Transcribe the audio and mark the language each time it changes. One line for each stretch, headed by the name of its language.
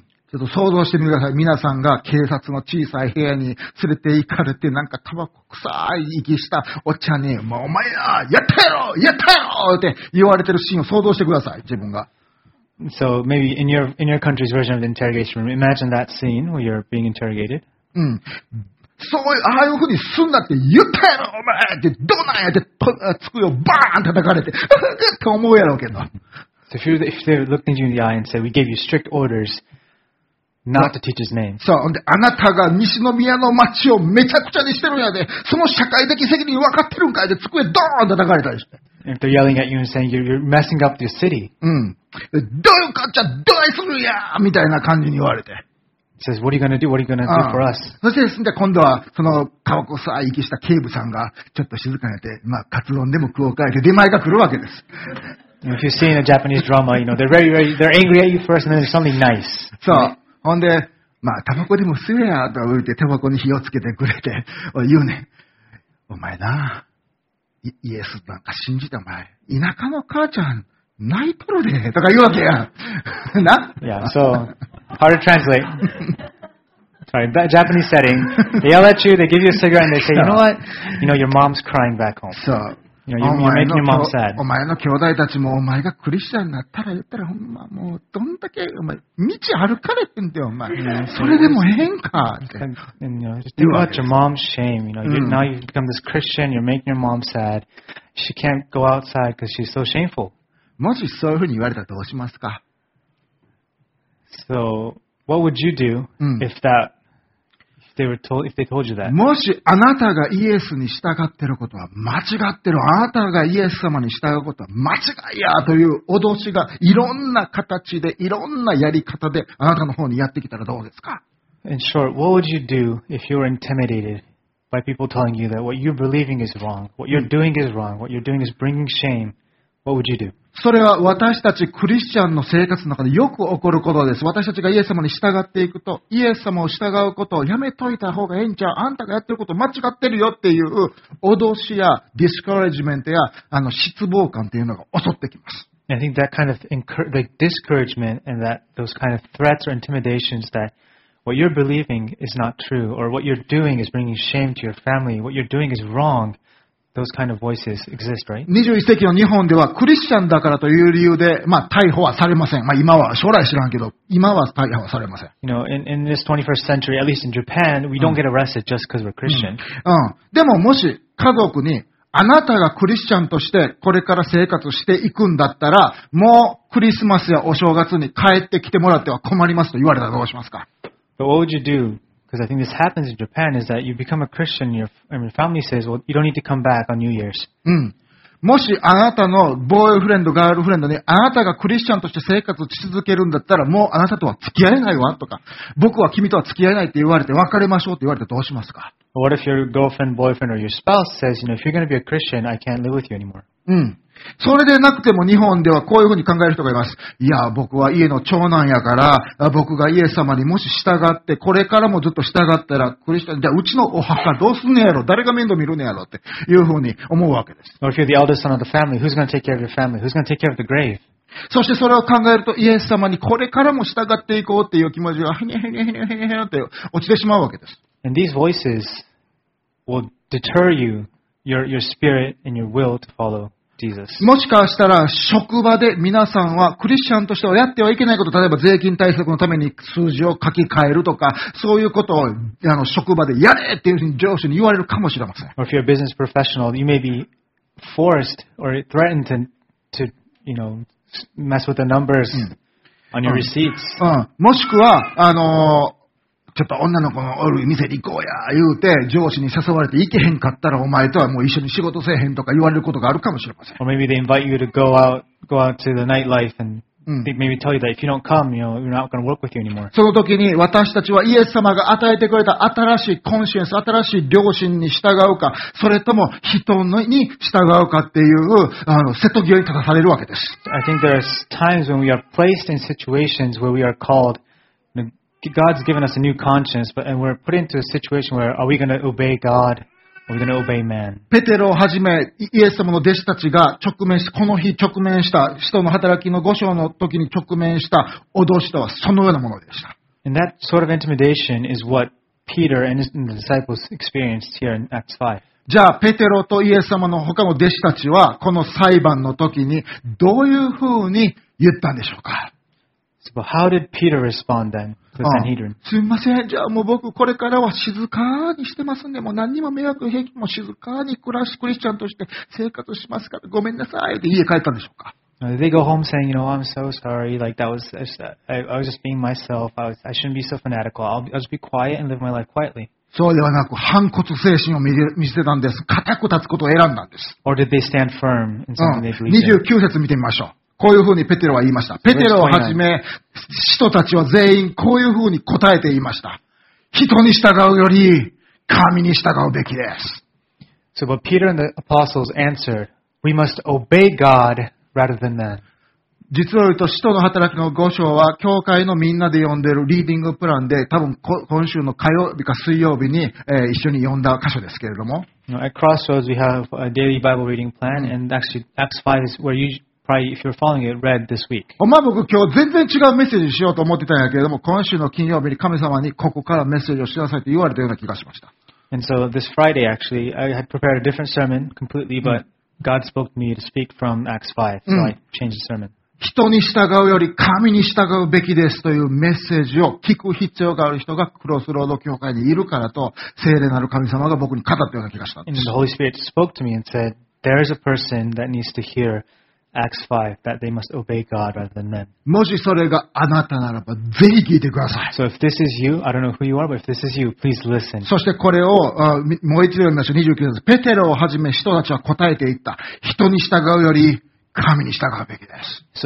Japanese: ちょっと想像してみてください。皆さんが警察の小さい部屋に連れて行かれて、なんかタバコ臭い息したお茶に、もうお前や、やったやろ、やったやろって言われてるシーンを想像してください、自分が。
English: So maybe in your country's version of the interrogation room, imagine that scene where you're being interrogated.
Japanese: そういうああいうふうにすんなって言ったやろお前ってどうなんやって机をバーン叩かれてって思うやろうけど。
English: So if they looked into you in the eye and said, "We gave you strict orders not to teach his name."
Japanese: そう、あなたが西宮の町をめちゃくちゃにしてるんやで、その社会的責任分かってるんかいで机ドーン叩かれたりして。
English: If they're yelling at you and saying you're messing up the city.
Japanese: どういうこっちゃ、どうするやみたいな感じに言われて。
English: It says, what are you gonna do? What are you gonna do for us?
Japanese: そしてですね、今度はそのタバコ臭い息した警部さんがちょっと静かにやって、まあ、カツ丼でも食おうかいって出前が来るわけです。
English: If you've seen a Japanese drama, they're very, very, they're angry at you first and then there's something nice.
Japanese: そう。ほんで、まあ、タバコでも吸えやと言って、タバコに火をつけてくれて、言うね。お前な。イエスなんか信じてお前、田舎の母ちゃん、泣いとるでとか言うわけやん。な
English: Yeah, so, hard to translate. Sorry, Japanese setting. They yell at you, they give you a cigarette, and they say, you know what? You know, your mom's crying back home. So, you know, you're making your mom sad.
Japanese: お前の兄弟たちも、お前がクリスチャンになったら言ったら、ほんま、もうどんだけ、お前、道歩かれてんだよ、お前。それでもええんか。
English: And, you know, think about your mom's shame. You know, now you've become this Christian, you're making your mom sad. She can't go outside because she's so shameful.
Japanese: もしそういうふうに言われたらどうしますか?
English: So, what would you do if that, if they were told, if they told you that?
Japanese: もしあなたがイエスに従ってることは間違ってる。あなたがイエス様に従うことは間違いやという脅しがいろんな形で、いろんなやり方であなたの方にやってきたらどうですか?
English: In short, what would you do if you were intimidated by people telling you that what you're believing is wrong, what you're doing is wrong, what you're doing is bringing shame? What would you do?
Japanese: それは私たちクリスチャンの生活の中でよく起こることです。私たちがイエス様に従っていくと、イエス様を従うことをやめといた方がええんちゃう。あんたがやってること間違ってるよっていう脅しやディスカレジメントや失望感っていうのが襲ってきます。
English: I think that kind of discouragement and that those kind of threats or intimidations that what you're believing is not true or what you're doing is bringing shame to your family, what you're doing is wrong. Those kind of voices exist, right?
Japanese: 21世紀の日本ではクリスチャンだからという理由で、まあ、逮捕はされません。まあ、今は将来知らんけど、今は逮捕はされません。
English: You know, in this 21st century, at least in Japan, we don't get arrested just because we're Christian.
Japanese: でももし家族にあなたがクリスチャンとしてこれから生活していくんだったら、もうクリスマスやお正月に帰ってきてもらっては困りますと言われたらどうしますか?
English: But what would you do? Because I think this happens in Japan is that you become a Christian and your family says, well, you don't need to come back on New Year's.
Japanese: もしあなたのボーイフレンド、ガールフレンドにあなたがクリスチャンとして生活を続けるんだったらもうあなたとは付き合えないわとか僕は君とは付き合えないって言われて別れましょうって言われてどうしますか?
English: What if your girlfriend, boyfriend or your spouse says, you know, if you're going to be a Christian, I can't live with you anymore.
Japanese: それでなくても日本ではこういうふうに考える人がいます。いや、僕は家の長男やから、僕がイエス様にもし従って、これからもずっと従ったら、クリスチャン、じゃあうちのお墓どうすんねやろ、誰が面倒見るねやろっていうふうに思うわけです。
English: Or if you're the eldest son of the family, who's going to take care of your family? Who's going to take care of the grave?
Japanese: そしてそれを考えると、イエス様にこれからも従っていこうっていう気持ちが、ヘニヘニヘニヘニヘニって落ちてしまうわけです。
English: And these voices will deter you, your spirit and your will to follow.
Japanese: もしかしたら職場で皆さんはクリスチャンとしてはやってはいけないこと、例えば税金対策のために数字を書き換えるとか、そういうことを職場でやれっていうふうに上司に言われるかもしれません。
English: Or if you're a business professional, you may be forced or threatened to you know, mess with the numbers on your receipts.
Japanese: もしくは、ちょっと女の子のおる店に行こうや言うて上司に誘われて行けへんかったらお前とはもう一緒に仕事せえへんとか言われることがあるかもしれません。
English: Or maybe they invite you to go out to the nightlife and maybe tell you that if you don't come, you know, we're not going to work with you anymore.
Japanese: その時に私たちはイエス様が与えてくれた新しいコンシエンス、新しい良心に従うか、それとも人に従うかっていう瀬戸際に立たされるわけです。
English: I think there are times when we are placed in situations where we are calledGod's given us a new conscience, but and we're put into a situation where are we going to obey God or are we going to obey man?
Japanese: ペテロをはじめイエス様の弟子たちが直面したこの日直面した使徒の働きの5章の時に直面した脅しとはそのようなものでした。
English: And that sort of intimidation is what Peter and his disciples experienced here in Acts 5.
Japanese: じゃあペテロとイエス様の他の弟子たちはこの裁判の時にどういうふうに言ったんでしょうか。
English: So how did Peter respond then to the Sanhedrin?
Japanese: すみません。じゃあもう僕これからは静かにしてますんで、もう何にも迷惑平気も静かに暮らしクリスチャンとして生活しますから、ごめんなさいって家帰ったんでしょうか。
English: They go home saying, you know, I'm so sorry. Like that was, I was just being myself. I shouldn't be so fanatical. I'll just be quiet and live my life quietly.
Japanese: そうではなく反骨精神を見せてたんです。固く立つことを選んだんです。
English: Or did they stand firm in something they believed
Japanese: in? 29節見てみましょう。こういうふうにペテロは言いました。ペテロをはじめ、使徒たちは全員こういうふうに答えて言いました。人に従うより、神に従うべきです。
English: So, but Peter and the apostles answered, we must obey God rather than man.
Japanese: 実を言うと、使徒の働きの5章は、教会のみんなで読んでるリーディングプランで、多分今週の火曜日か水曜日に、一緒に読んだ箇所ですけれども。
English: know, at Crossroads, we have a daily Bible reading plan, and actually, Acts 5 is where you probably, if you're following it, read this week.
Japanese: まあ僕今日全然違うメッセージしようと思ってたんやけれども、今週の金曜日に神様にここからメッセージをしなさいと言われたような気がしました。
English: And so this Friday, actually, I had prepared a different sermon completely, but God spoke to me to speak from Acts 5, so I changed the sermon.
Japanese: 人に従うより神に従うべきですというメッセージを聞く必要がある人がクロスロード教会にいるからと、聖霊なる神様が僕に語ったような気がしたんです。
English: And the Holy Spirit spoke to me and said, there is a person that needs to hear Acts 5, that they must obey God rather than men.
Japanese: もしそれがあなたならば、ぜひ聞いてください。
English: So if this is you, I don't know who you are, but if this is you, please listen.
Japanese: そしてこれを、もう一度読んだ人29節、ペテロをはじめ人たちは答えていった。人に従うより、神に従うべきです。